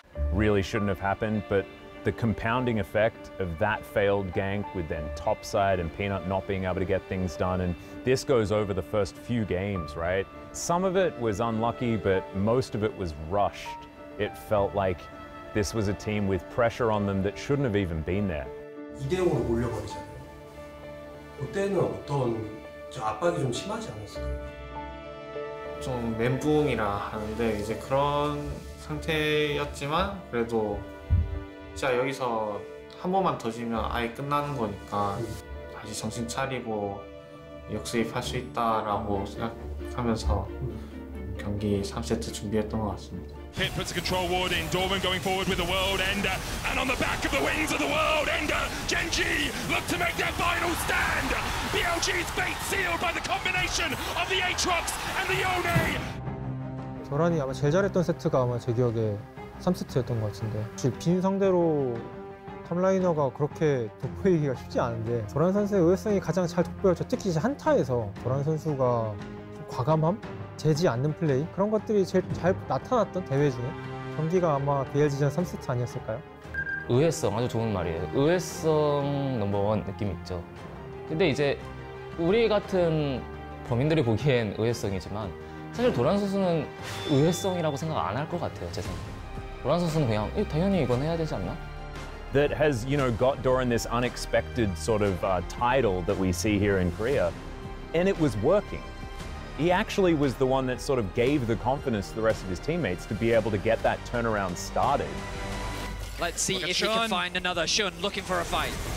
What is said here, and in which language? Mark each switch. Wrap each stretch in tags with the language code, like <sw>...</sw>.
<en>Really shouldn't have happened, but the compounding effect of that failed gank with then topside and Peanut not being able to get things done. And this goes over the first few games, right? Some of it was unlucky, but most of it was rushed. It felt like this was a team with pressure on them that shouldn't have even been there.</en> <ko>2대0으로 몰려버리잖아요. 그때는 어떤 압박이 좀 심하지 않았을까요? 좀 멘붕이라 하는데 이제 그런 상태였지만 그래도 진짜 여기서 한 번만 더 지면 아예 끝나는 거니까 다시 정신 차리고 역습할 수 있다라고 생각하면서 경기 3세트 준비했던 것 같습니다.</ko> <en>Pit puts a control ward in, Dorman going forward with the World Ender, and on the back of the wings of the World Ender, Gen G look to make their final stand! BLG's fate sealed by the combination of the Aatrox and the Yone!</en> <ko>도란이 아마 제일 잘했던 세트가 아마 제 기억에 3세트였던 것 같은데 사실 빈 상대로 탑라이너가 그렇게 돋보이기가 쉽지 않은데 도란 선수의 의외성이 가장 잘 돋보였죠. 특히 한타에서 도란 선수가 좀 과감함? 재지 않는 플레이? 그런 것들이 제일 잘 나타났던 대회 중에 경기가 아마 BLG전 3세트 아니었을까요? 의외성 아주 좋은 말이에요. 의외성 넘버원 느낌 있죠. 근데 이제 우리 같은 범인들이 보기엔 의외성이지만 사실 도란 선수는 의외성이라고 생각 안 할 것 같아요. 제 생각에 도란 선수는 그냥 당연히 이건 해야 되지 않나?</ko> <en>that has, you know, got Doran this unexpected sort of title that we see here in Korea. And it was working. He actually was the one that sort of gave the confidence to the rest of his teammates to be able to get that turnaround started. Let's see if Shun. He can find another. Shun looking for a fight.</en>